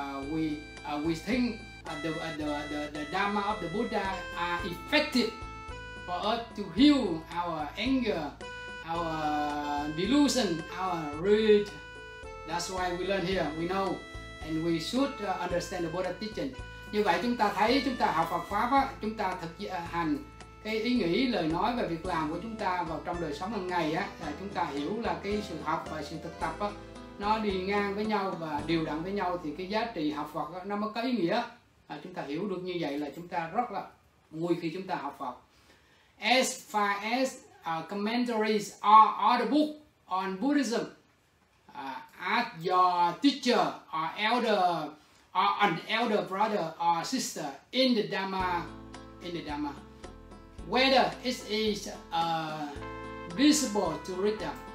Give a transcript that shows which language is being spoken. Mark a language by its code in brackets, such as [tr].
[en] We think the Dhamma of the Buddha are effective for us to heal our anger, our delusion, our greed. That's why we learn here. We know, and we should understand the Buddha teaching. [vi] Như vậy chúng ta thấy chúng ta học Phật pháp á, chúng ta thực hành. Cái ý nghĩ, lời nói và việc làm của chúng ta vào trong đời sống hàng ngày á, là chúng ta hiểu là cái sự học và sự thực tập á, nó đi ngang với nhau và điều đặn với nhau, thì cái giá trị học Phật á, nó mới có ý nghĩa. Chúng ta hiểu được như vậy là chúng ta rất là vui khi chúng ta học Phật. [en] As far as commentaries or the book on Buddhism, ask your teacher or elder or an elder brother or sister in the Dhamma, whether it is visible to read them.